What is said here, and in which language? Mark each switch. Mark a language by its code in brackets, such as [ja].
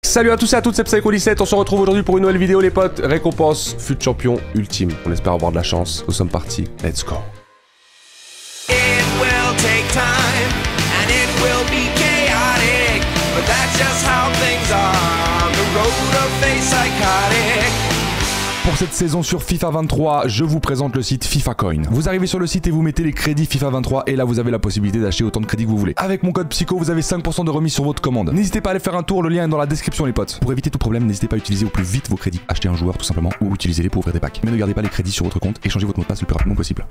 [fr] Salut à tous et à toutes, c'est Psycho 17. On se retrouve aujourd'hui pour une nouvelle vidéo, les potes. Récompense, fut champion ultime. On espère avoir de la chance. Nous sommes partis. [en] Let's go. It will take time and it will be chaotic, but that's just how things are. The road of a psychotic. [fr] Pour cette saison sur FIFA 23, je vous présente le site FIFA Coin. Vous arrivez sur le site et vous mettez les crédits FIFA 23 et là vous avez la possibilité d'acheter autant de crédits que vous voulez. Avec mon code PSYCHO, vous avez 5% de remise sur votre commande. N'hésitez pas à aller faire un tour, le lien est dans la description les potes. Pour éviter tout problème, n'hésitez pas à utiliser au plus vite vos crédits. Achetez un joueur tout simplement ou utilisez-les pour ouvrir des packs. Mais ne gardez pas les crédits sur votre compte et changez votre mot de passe le plus rapidement possible.